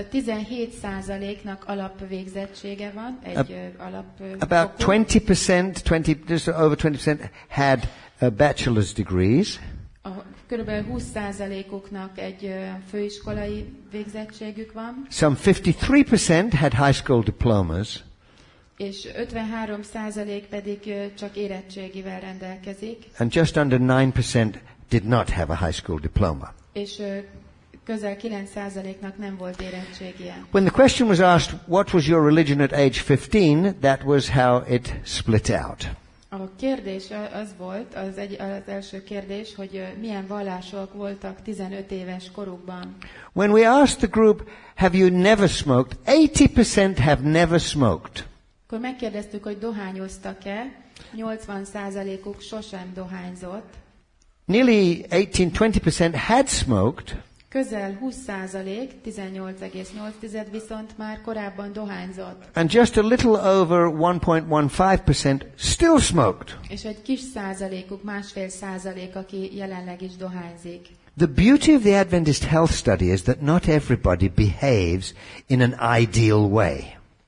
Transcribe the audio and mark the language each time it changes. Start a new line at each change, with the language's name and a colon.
Hungarian: 17%-nak alapvégzettsége van, egy alap.
English: About 20% had bachelor's degrees.
Hungarian: Körülbelül 20%-uknak egy főiskolai végzettségük van.
English: Some 53% had high school diplomas.
Hungarian: És 53% pedig csak érettségivel rendelkezik.
English: And just under 9% did not have a high school diploma.
Hungarian: És közel 9%-nak nem volt érettségie.
English: When the question was asked, what was your religion at age 15, that was how it split out.
Hungarian: A kérdés az volt, az első kérdés, hogy milyen vallások voltak 15 éves korukban.
English: When we asked the group, have you never smoked, 80% have never smoked.
Hungarian: Akkor megkérdeztük, hogy dohányoztak-e, 80%-uk sosem dohányzott.
English: Nearly 18-20% had smoked.
Hungarian: Közel 20%, 18,8% viszont már korábban dohányzott.
English: And just a little over 1.15% still smoked.
Hungarian: És egy kis százalékuk, másfél százalék, aki jelenleg is dohányzik.
English: The beauty of the Adventist health study is that not everybody behaves in an ideal way.